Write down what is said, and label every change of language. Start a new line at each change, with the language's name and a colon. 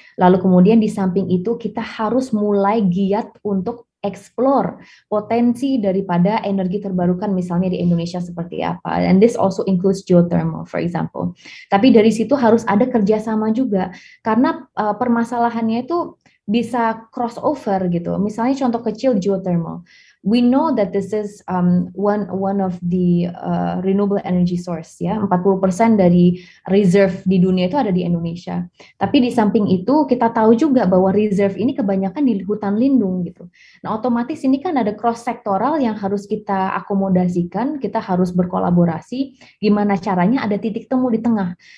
Indonesian: Lalu kemudian di samping itu kita harus mulai giat untuk explore potensi daripada energi terbarukan misalnya di Indonesia seperti apa.
English: And this also includes geothermal, for example.
Indonesian: Tapi dari situ harus ada kerjasama juga, karena permasalahannya itu bisa crossover gitu. Misalnya contoh kecil geothermal.
English: We know that this is one of the renewable energy source ya.
Indonesian: 40% dari reserve di dunia itu ada di Indonesia. Tapi di samping itu kita tahu juga bahwa reserve ini kebanyakan di hutan lindung gitu. Nah, otomatis ini kan ada cross sektoral yang harus kita akomodasikan, kita harus berkolaborasi gimana caranya ada titik temu di tengah.